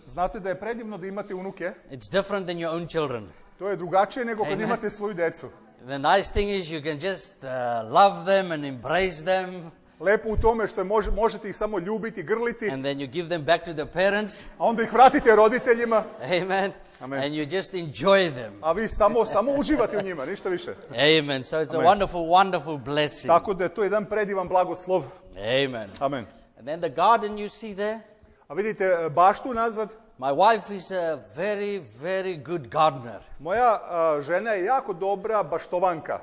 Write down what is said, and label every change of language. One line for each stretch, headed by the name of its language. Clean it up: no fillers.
Serbian: Znate da je predivno da imate unuke.
English: It's different than your own children.
Serbian: To je drugačije nego kad imate svoju decu.
English: The nice thing is you can just love them and embrace them.
Serbian: Lepo u tome što možete ih samo ljubiti, grliti.
English: And then you give them back to their parents.
Serbian: A onda ih vratite roditeljima.
English: Amen. Amen. And you just enjoy them.
Serbian: A vi samo uživate u njima, ništa više.
English: Amen. So it's Amen. A wonderful, wonderful blessing.
Serbian: Tako da je to jedan predivan blagoslov.
English: Amen. Amen. And then the garden you see there.
Serbian: A vidite baštu nazad.
English: My wife is a very, very good gardener.
Serbian: Moja žena je jako dobra baštovanka.